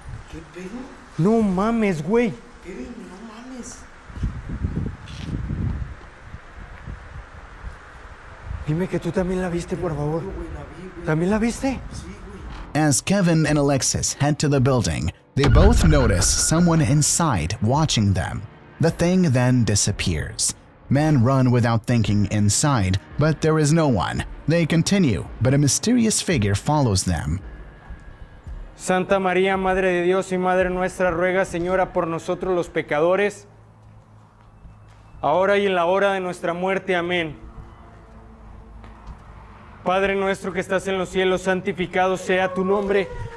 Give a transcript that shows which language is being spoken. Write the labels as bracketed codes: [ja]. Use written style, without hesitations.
[es] ¿Qué pedo? No mames, güey. Kevin, no mames. Dime que tú también la viste, por favor. ¿También la viste? [en] As Kevin and Alexis head to the building, they both notice someone inside watching them. The thing then disappears. Men run without thinking inside, but there is no one. They continue, but a mysterious figure follows them. [es] Santa María, Madre de Dios y Madre Nuestra, ruega, Señora, por nosotros los pecadores, ahora y en la hora de nuestra muerte. Amén. Padre nuestro que estás en los cielos, santificado sea tu nombre.